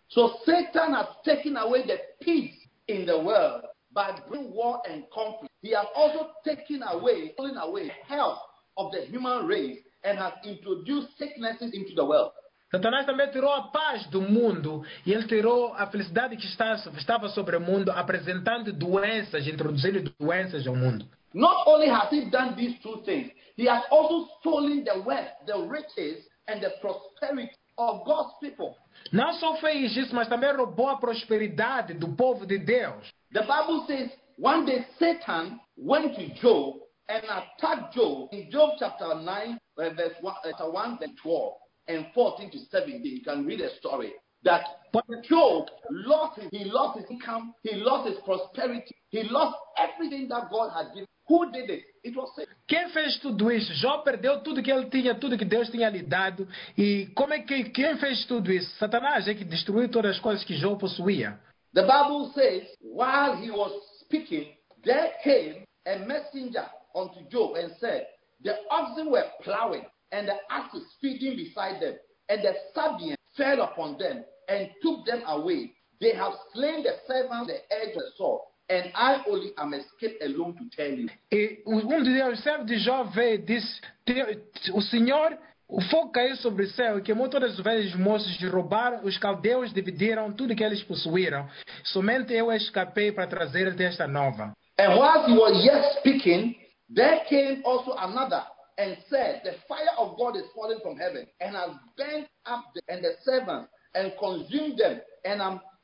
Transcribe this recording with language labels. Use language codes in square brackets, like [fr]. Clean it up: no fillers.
[en] So Satan has taken away the peace in the world by bringing war and conflict. He has also taken away, stolen away health of the human race. And has introduced sicknesses into the world. [pt] Satanás também tirou a paz do mundo e ele tirou a felicidade que estava sobre o mundo, apresentando doenças, introduzindo doenças ao mundo. [en] Not only has he done these two things, he has also stolen the wealth, the riches, and the prosperity of God's people. [pt] Não só fez isso, mas também roubou a prosperidade do povo de Deus. [en] The Bible says one day Satan went to Job and attacked Job in Job chapter 9. Verse 1 to 12 and 14 to 17. You can read the story that Job lost. He lost his income. He lost his prosperity. He lost everything that God had given. Who did it? It was Satan. [pt] Quem fez tudo isso? Job perdeu tudo que ele tinha, tudo que Deus tinha lhe dado. E como é que quem fez tudo isso? Satanás é que destruiu todas as coisas que Job possuía. [en] The Bible says, while he was speaking, there came a messenger unto Job and said, the oxen were plowing, and the asses feeding beside them, and the Sabaeans fell upon them and took them away. They have slain the servant, the edge of the sword, and I only am escaped alone to tell you. [pt] E um dos servos de Jó veio e disse, o Senhor, o fogo caiu sobre o céu e queimou todas as velhas moças e roubaram, os caldeus dividiram tudo que eles possuíram. Somente eu escapei para trazer desta nova. [en] And while he was yet speaking, there came also another and said, the fire of God is falling from heaven and has burnt up the servants and consumed them, and I'm